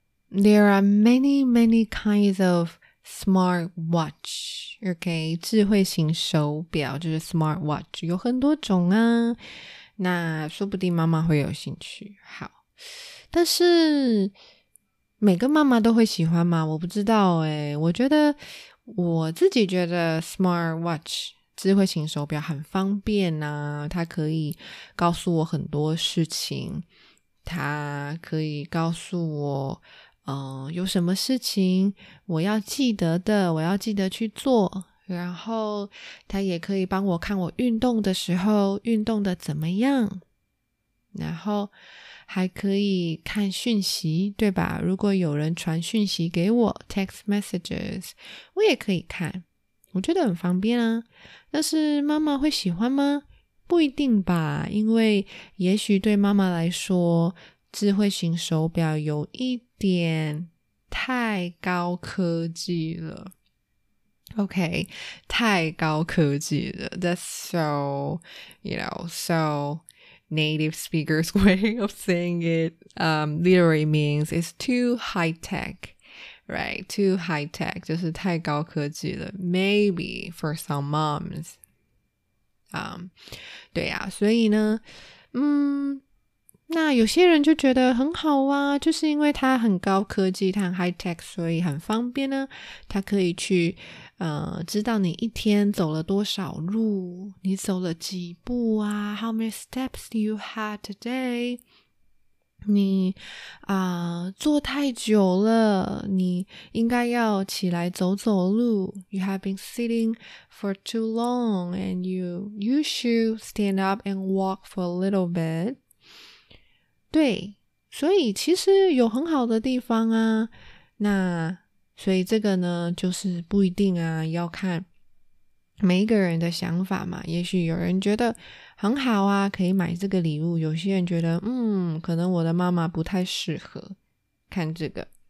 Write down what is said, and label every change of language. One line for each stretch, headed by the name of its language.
English: There are many, many kinds of smart watch.
Chinese: Okay, 智慧型手表就是 smart watch, 有很多种啊。那说不定妈妈会有兴趣。好，但是每个妈妈都会喜欢吗？我不知道耶。我觉得，我自己觉得 smart watch智慧型手表很方便啊，它可以告诉我很多事情，它可以告诉我有什么事情我要记得的，我要记得去做，然后它也可以帮我看我运动的时候运动的怎么样，然后还可以看讯息，对吧？如果有人传讯息给我
English: text messages,
Chinese: 我也可以看，我觉得很方便啊。但是妈妈会喜欢吗？不一定吧，因为也许对妈妈来说，智慧型手表有一点太高科技了。 OK, 太高科技了。
English: That's so, you know, so native speaker's way of saying it. Literally means it's too high tech. Right, too high tech,
Chinese: 就是太高科技了。
English: Maybe for some moms.
Chinese: 对啊，所以呢，那有些人就觉得很好啊，就是因为它很高科技，它很 high tech, 所以很方便呢。它可以去知道你一天走了多少路，你走了几步啊，
English: How many steps do you have today?
Chinese: 你坐太久了，你应该要起来走走路。
English: You have been sitting for too long and you should stand up and walk for a little bit.
Chinese: 对，所以其实有很好的地方啊。那所以这个呢就是不一定啊，要看每一个人的想法嘛。也许有人觉得很好啊，可以买这个礼物，有些人觉得可能我的妈妈不太适合，看这个。